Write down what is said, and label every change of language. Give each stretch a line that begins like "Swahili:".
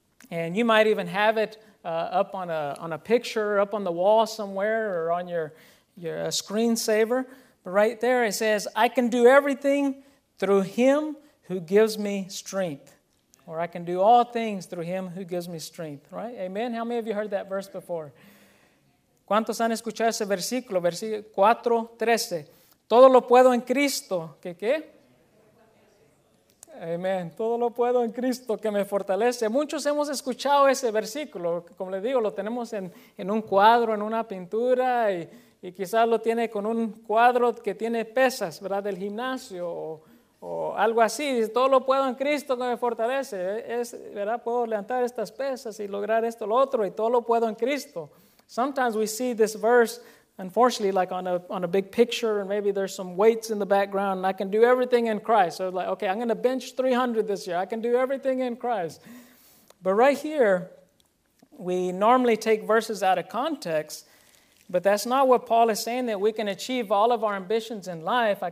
English: And you might even have it up on a picture, up on the wall somewhere, or on your screensaver. But right there it says, I can do everything through him who gives me strength. Or I can do all things through him who gives me strength. Right? Amen. How many of you heard that verse before?
Spanish: ¿Cuántos han escuchado ese versículo? Versículo 4, 13. Todo lo puedo en Cristo. ¿Qué? Amén. Todo lo puedo en Cristo que me fortalece. Muchos hemos escuchado ese versículo. Como les digo, lo tenemos en un cuadro, en una pintura. Y, y quizás lo tiene con un cuadro que tiene pesas, ¿verdad?, del gimnasio o algo así. Todo lo puedo en Cristo que me fortalece. Es, ¿verdad?, puedo levantar estas pesas y lograr esto, lo otro, y todo lo puedo en Cristo.
English: Sometimes we see this verse, unfortunately, like on a big picture, and maybe there's some weights in the background, and I can do everything in Christ. So it's like, okay, I'm going to bench 300 this year. I can do everything in Christ. But right here, we normally take verses out of context, but that's not what Paul is saying, that we can achieve all of our ambitions in life.